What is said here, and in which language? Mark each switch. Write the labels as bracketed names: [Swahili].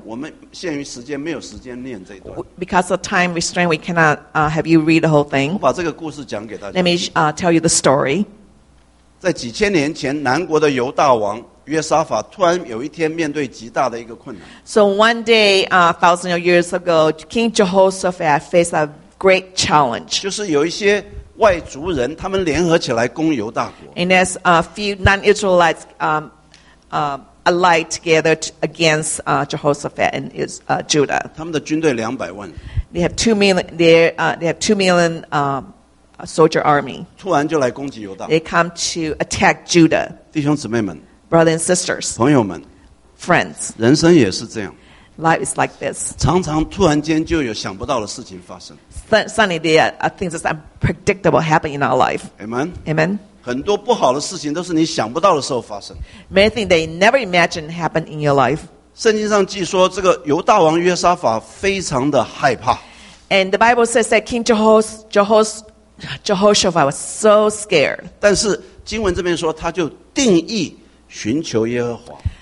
[Chinese] 我们限于时间没有时间念这一段。 [English] Because of time restraint, we cannot have you read the whole thing. [Chinese] 我把这个故事讲给大家。 [English] Let me tell you the story. [Chinese] 在几千年前，南国的犹大王约沙法突然有一天面对极大的一个困难。 [English] So one day, thousands of years ago, King Jehoshaphat faced a great challenge. [Chinese] 就是有一些外族人，他们联合起来攻犹大国。 [English] And as a few non-Israelites allied together against Jehoshaphat and Judah. [Chinese] 他们的军队200万。 [English] They have 2 million. They have 2 million soldier army. [Chinese] 突然就来攻击犹大. [English] They come to attack Judah. [Chinese] 弟兄姊妹们, [English] brothers and sisters. [Chinese] 朋友们, [English] friends. [Chinese] 人生也是这样. [English] Life is like this. [Chinese] 常常突然间就有想不到的事情发生. [English] Suddenly there are things that's unpredictable happen in our life. Amen. Amen. [Chinese] 很多不好的事情都是你想不到的时候发生. [English] Many things they never imagined happen in your life. [Chinese] 圣经上记说，这个犹大王约沙法非常的害怕。 [English] And the Bible says that King Jehoshaphat was so scared. [Chinese] 但是经文这边说，他就定意寻求耶和华。